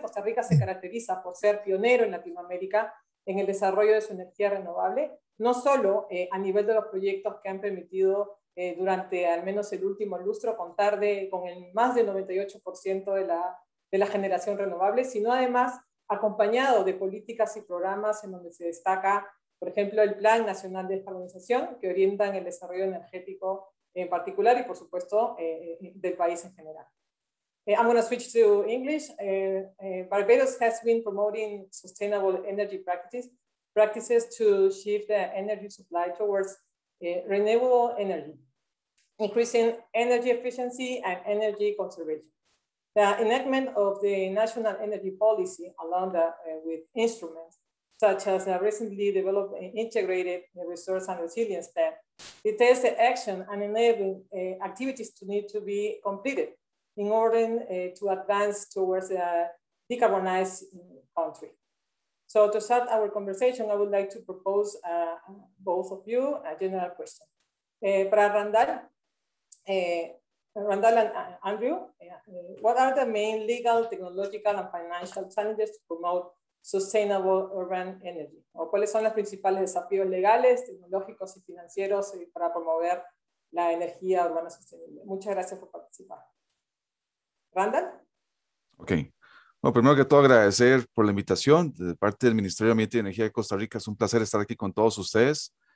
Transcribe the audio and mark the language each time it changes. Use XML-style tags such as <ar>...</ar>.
<es>Costa Rica se caracteriza por ser pionero en Latinoamérica en el desarrollo de su energía renovable, no solo a nivel de los proyectos que han permitido durante al menos el último lustro contar con el más del 98% de la generación renovable, sino además acompañado de políticas y programas en donde se destaca, por ejemplo, el Plan Nacional de Descarbonización, que orientan el desarrollo energético en particular y, por supuesto, del país en general.</es> <en>I'm going to switch to English. Barbados has been promoting sustainable energy practices to shift the energy supply towards renewable energy, increasing energy efficiency and energy conservation. The enactment of the national energy policy, along with instruments such as the recently developed integrated resource and resilience plan, details the action and enabling activities to need to be completed in order to advance towards a decarbonized country. So to start our conversation, I would like to propose both of you a general question. Para Randall and Andrew, what are the main legal, technological, and financial challenges to promote sustainable urban energy?</en> <es>¿O cuáles son los principales desafíos legales, tecnológicos y financieros para promover la energía urbana sostenible? Muchas gracias por participar. ¿Randall? Ok. Bueno, primero que todo agradecer por la invitación de parte del Ministerio de Ambiente y Energía de Costa Rica. Es un placer estar aquí con todos ustedes.</es>